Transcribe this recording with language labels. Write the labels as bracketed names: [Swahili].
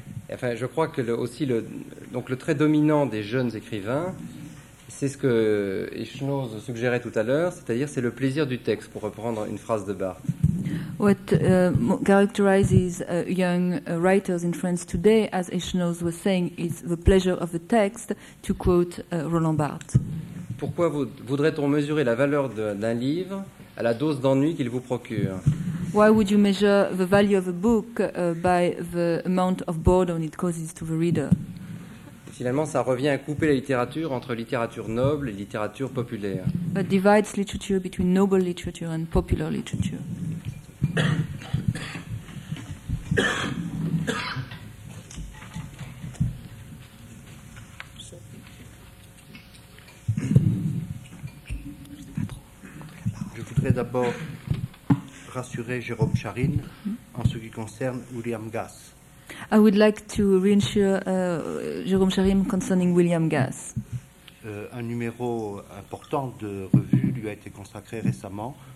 [French] Enfin, je crois que le trait dominant des jeunes écrivains, c'est ce que Echnoz suggérait tout à l'heure, c'est-à-dire c'est le plaisir du texte, pour reprendre une phrase de Barthes. [English] What characterizes young writers in France today, as Echnoz was saying, is the pleasure of the text, to quote Roland Barthes. [French] Pourquoi voudrait-on mesurer la valeur d'un livre à la dose d'ennui qu'il vous procure? [English] Why would you measure the value of a book by the amount of boredom it causes to the reader? [French] Finalement, ça revient à couper la littérature entre littérature noble et littérature populaire. [English] It divides literature between noble literature and popular literature. [French] Je voudrais d'abord rassurer Jérôme Charyn en ce qui concerne William Gass. [English] I would like to reassure Jérôme Charyn concerning William Gass. [French] Un numéro important de revue lui a été consacré récemment